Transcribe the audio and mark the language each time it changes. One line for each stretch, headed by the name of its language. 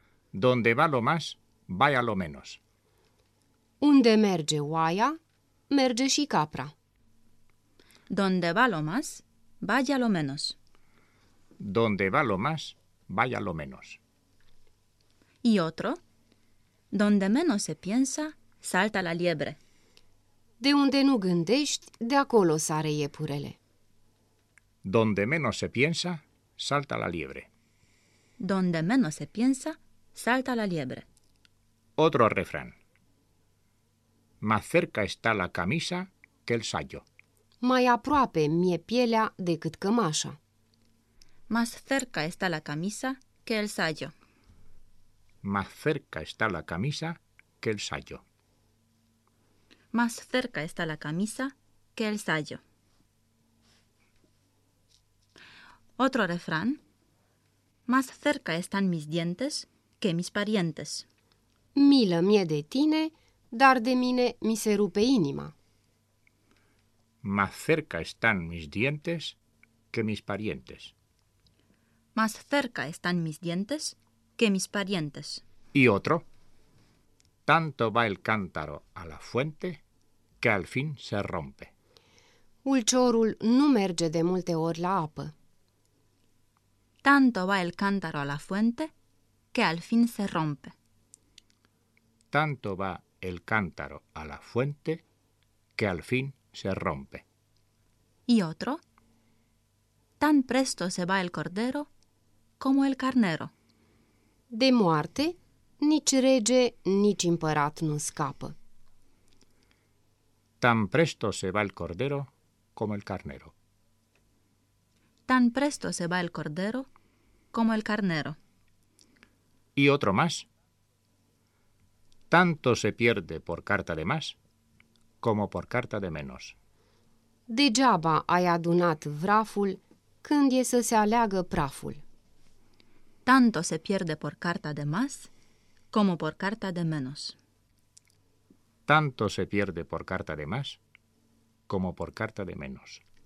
Spanish: Donde va lo más, vaya lo menos.
Romanian: Unde merge oaia, merge și capra.
Spanish: Donde va lo más, vaya lo menos. Donde va lo más, vaya lo menos. Y otro. Donde menos se piensa, salta la liebre.
Romanian: De unde nu gândești, de acolo sare iepurele.
Spanish: Donde menos se piensa, salta la liebre. Donde menos se piensa, salta la liebre. Otro refrán. Más cerca está la camisa que el sayo.
Romanian: Mai aproape mie pielea decât cămașa.
Spanish: Más cerca está la camisa que el sayo. Más cerca está la camisa que el sayo. Más cerca está la camisa que el sayo. Otro refrán. Más cerca están mis dientes que mis parientes.
Romanian: Milă mie de tine, dar de mine mi se rupe inima.
Spanish: Más cerca están mis dientes que mis parientes. Más cerca están mis dientes que mis parientes. Y otro. Tanto va el cántaro a la fuente que al fin se rompe.
Romanian: Ulciorul nu merge de multe ori la apă.
Spanish: Tanto va el cántaro a la fuente que al fin se rompe. Tanto va el cántaro a la fuente que al fin se rompe. Y otro. Tan presto se va el cordero como el carnero.
Romanian: De muerte, nici rege, nici împărat nu scapă.
Spanish: Tan presto se va el cordero como el carnero. Tan presto se va el cordero como el carnero. Y otro más. Tanto se pierde por carta de más como por carta de menos.
Romanian: Degeaba ai adunat vraful când e să se aleagă praful.
Spanish: Tanto se pierde por carta de más como por carta de menos. Tanto se pierde por carta de más como por carta de menos.